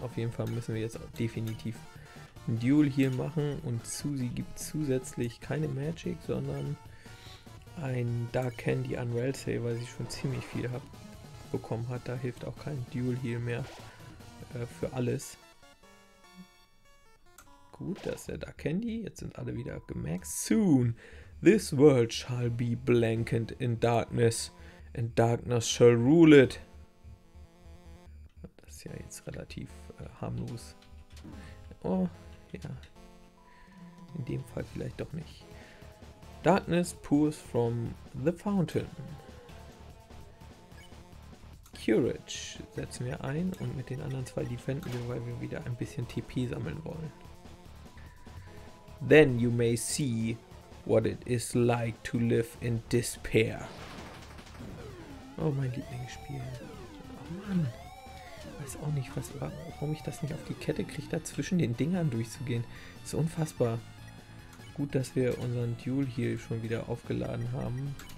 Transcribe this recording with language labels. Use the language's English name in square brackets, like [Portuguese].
[German] Auf jeden Fall müssen wir jetzt auch definitiv ein Duel hier machen. Und Susie gibt zusätzlich keine Magic, sondern ein Dark Candy Unreal Save, weil sie schon ziemlich viel hat. Bekommen hat, da hilft auch kein Duel Heal mehr für alles. Gut, da ist der Dark Candy. Jetzt sind alle wieder gemaxed. [English] Soon this world shall be blanket in darkness, and darkness shall rule it. [German] Das ist ja jetzt relativ harmlos. Oh, ja. In dem Fall vielleicht doch nicht. [English] Darkness pours from the fountain. [German] Courage setzen wir ein und mit den anderen zwei defenden wir, weil wir wieder ein bisschen TP sammeln wollen. [English] Then you may see what it is like to live in despair. [German] Oh, mein Lieblingsspiel. Oh Mann. Ich weiß auch nicht, warum ich das nicht auf die Kette kriege, da zwischen den Dingern durchzugehen. Das ist unfassbar. Gut, dass wir unseren Duel hier schon wieder aufgeladen haben.